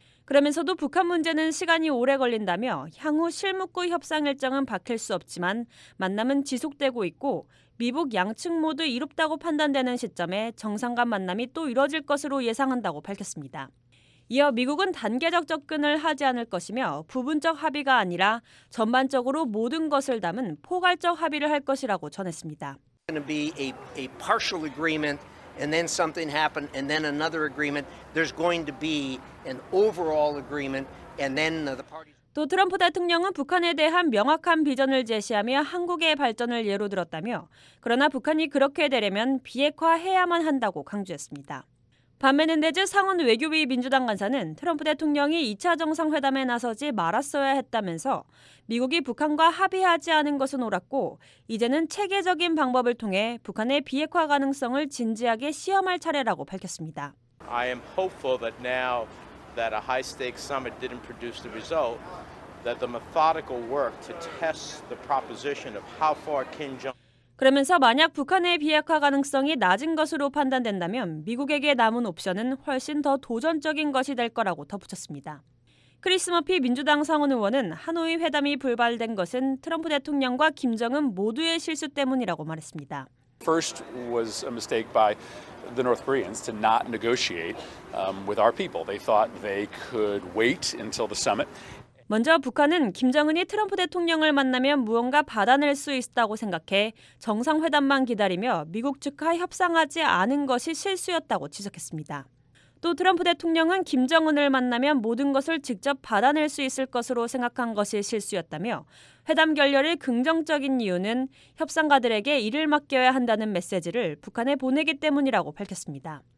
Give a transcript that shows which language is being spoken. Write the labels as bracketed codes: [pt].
[ko] 그러면서도 북한 문제는 시간이 오래 걸린다며 향후 실무구 협상 일정은 박힐 수 없지만 만남은 지속되고 있고 미북 양측 모두 이롭다고 판단되는 시점에 정상 간 만남이 또 이뤄질 것으로 예상한다고 밝혔습니다. 이어 미국은 단계적 접근을 하지 않을 것이며 부분적 합의가 아니라 전반적으로 모든 것을 담은 포괄적 합의를 할 것이라고 전했습니다. [en] And then something happened, and then another agreement. There's going to be an overall agreement, and then the parties. [ko] 또 트럼프 대통령은 북한에 대한 명확한 비전을 제시하며 한국의 발전을 예로 들었다며, 그러나 북한이 그렇게 되려면 비핵화해야만 한다고 강조했습니다. 반면 멘데즈 상원 외교위 민주당 간사는 트럼프 대통령이 2차 정상회담에 나서지 말았어야 했다면서 미국이 북한과 합의하지 않은 것은 옳았고 이제는 체계적인 방법을 통해 북한의 비핵화 가능성을 진지하게 시험할 차례라고 밝혔습니다. [en] I am hopeful that now that a high-stakes summit didn't produce the result, that the methodical work to test the proposition of how far Kim Jong [ko] 그러면서 만약 북한의 비핵화 가능성이 낮은 것으로 판단된다면 미국에게 남은 옵션은 훨씬 더 도전적인 것이 될 거라고 덧붙였습니다. 크리스 머피 민주당 상원 의원은 하노이 회담이 불발된 것은 트럼프 대통령과 김정은 모두의 실수 때문이라고 말했습니다. [en] First was a mistake by the North Koreans to not negotiate with our people. They thought they could wait until the summit. [ko] 먼저 북한은 김정은이 트럼프 대통령을 만나면 무언가 받아낼 수 있다고 생각해 정상회담만 기다리며 미국 측과 협상하지 않은 것이 실수였다고 지적했습니다. 또 트럼프 대통령은 김정은을 만나면 모든 것을 직접 받아낼 수 있을 것으로 생각한 것이 실수였다며 회담 결렬의 긍정적인 이유는 협상가들에게 이를 맡겨야 한다는 메시지를 북한에 보내기 때문이라고 밝혔습니다.